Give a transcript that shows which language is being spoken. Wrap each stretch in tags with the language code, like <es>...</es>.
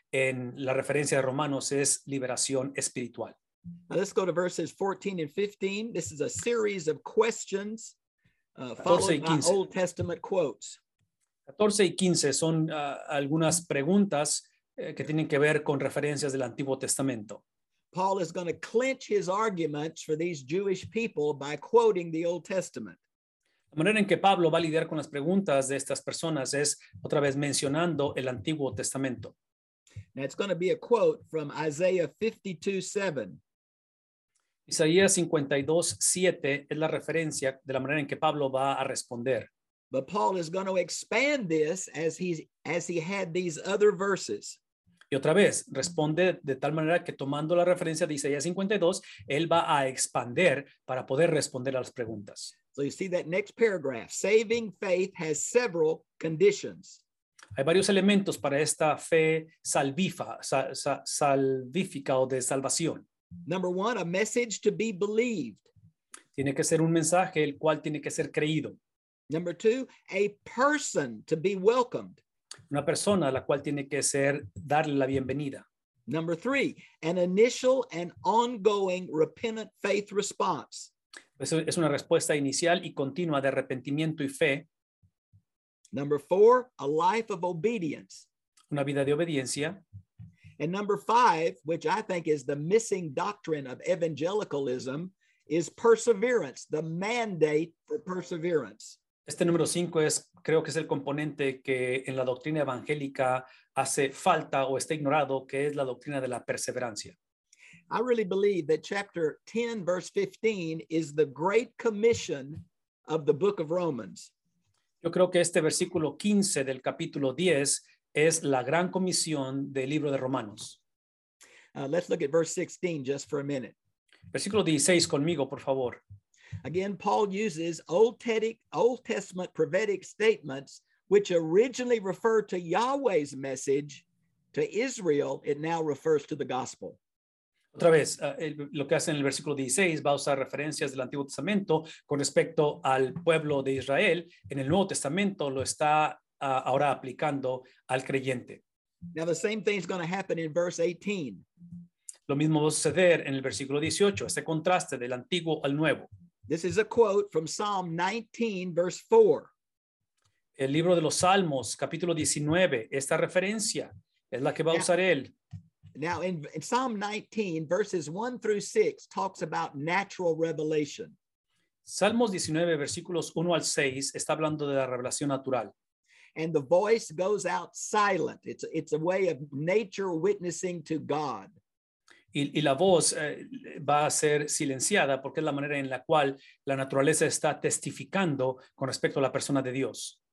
<es>En la referencia de Romanos es liberación espiritual.</es> <en>Now let's go to verses 14 and 15. This is a series of questions followed by Old Testament quotes.</en> <es>14 y 15 son algunas preguntas que tienen que ver con referencias del Antiguo Testamento.</es> <en>Paul is going to clinch his arguments for these Jewish people by quoting the Old Testament.</en> <es>La manera en que Pablo va a lidiar con las preguntas de estas personas es otra vez mencionando el Antiguo Testamento.</es> <en>Now it's going to be a quote from Isaiah 52:7.</en> <es>Isaías 52:7 es la referencia de la manera en que Pablo va a responder.</es> <en>But Paul is going to expand this as he had these other verses.</en> <es>Y otra vez, responde de tal manera que tomando la referencia de Isaías 52, él va a expander para poder responder a las preguntas.</es> <en>So you see that next paragraph, saving faith has several conditions.</en> <es>Hay varios elementos para esta fe salvífica o de salvación.</es> <en>Number one, a message to be believed.</en> <es>Tiene que ser un mensaje el cual tiene que ser creído.</es> <en>Number two, a person to be welcomed.</en> <es>Una persona a la cual tiene que ser darle la bienvenida.</es> <en>Number three, an initial and ongoing repentant faith response.</en> <es>Eso es una respuesta inicial y continua de arrepentimiento y fe.</es> <en>Number four, a life of obedience.</en> <es>Una vida de obediencia.</es> <en>And number five, which I think is the missing doctrine of evangelicalism, is perseverance, the mandate for perseverance.</en> <es>Este número 5 es, creo que es el componente que en la doctrina evangélica hace falta o está ignorado, que es la doctrina de la perseverancia.</es> <en>I really believe that chapter 10, verse 15 is the great commission of the book of Romans.</en> <es>Yo creo que este versículo 15 del capítulo 10 es la gran comisión del libro de Romanos.</es> <en>Let's look at verse 16 just for a minute.</en> <es>Versículo 16 conmigo, por favor.</es> <en>Again, Paul uses Old Testament prophetic statements, which originally referred to Yahweh's message to Israel. It now refers to the gospel.</en> <es>Otra vez, lo que hace en el versículo 16 va a usar referencias del Antiguo Testamento con respecto al pueblo de Israel. En el Nuevo Testamento lo está ahora aplicando al creyente.</es> <en>Now the same thing is going to happen in verse 18.</en> <es>Lo mismo va a suceder en el versículo 18. Este contraste del antiguo al nuevo.</es> <en>This is a quote from Psalm 19, verse 4.</en> <es>El libro de los Salmos, capítulo 19, esta referencia es la que va a usar él.</es> <en>Now, in Psalm 19, verses 1 through 6, talks about natural revelation.</en> <es>Salmos 19, versículos 1 al 6, está hablando de la revelación natural.</es> <en>And the voice goes out silent. It's a way of nature witnessing to God.</en> <es>Y la voz va a ser silenciada porque es la manera en la cual la naturaleza está testificando con respecto a la persona de Dios.</es>